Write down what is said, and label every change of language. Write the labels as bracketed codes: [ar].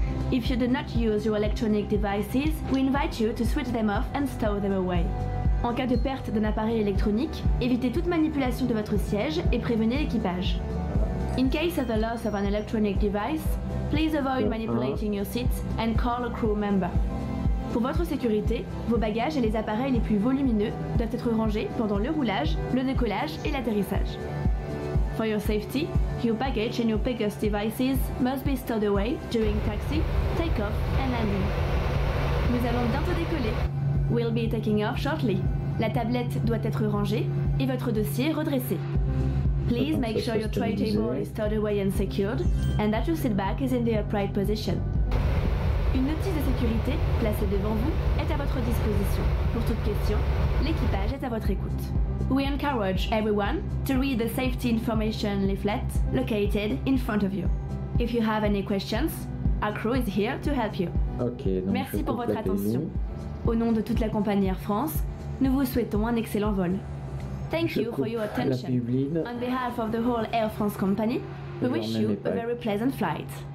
[en] If you do not use your electronic devices, we invite you to switch them off and stow them away. [fr] En cas de perte d'un appareil électronique, évitez toute manipulation de votre siège et prévenez l'équipage. [en] In case of the loss of an electronic device, please avoid manipulating your seat and call a crew member. [fr] Pour votre sécurité, vos bagages et les appareils les plus volumineux doivent être rangés pendant le roulage, le décollage et l'atterrissage. [en] For your safety, your baggage and your biggest devices must be stowed away during taxi, take-off and landing. [fr] Nous allons bientôt décoller. [en] We'll be taking off shortly. [fr] La tablette doit être rangée et votre dossier redressé. [en] Please make sure your tray table is stowed away and secured, and that your seat back is in the upright position. [fr] Une notice de sécurité placée devant vous est à votre disposition. Pour toute question, l'équipage est à votre écoute. [en] We encourage everyone to read the safety information leaflet located in front of you. If you have any questions, our crew is here to help you. [fr] Okay, donc merci pour votre attention. Au nom de toute la compagnie Air France, nous vous souhaitons un excellent vol. [en] Thank you for your attention. On behalf of the whole Air France company, we wish you a very pleasant flight.